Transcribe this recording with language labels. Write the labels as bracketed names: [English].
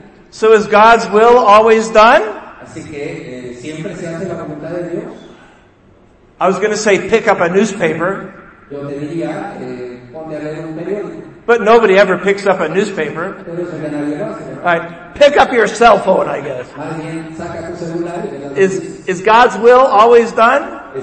[English] So is God's will always done? I was going to say, pick up a newspaper. [Spanish] Yo te diría, ponte a leer un periódico. [English] But nobody ever picks up a newspaper. Right. Pick up your cell phone, I guess. [Spanish] Saca tu celular, [English] is God's will always done?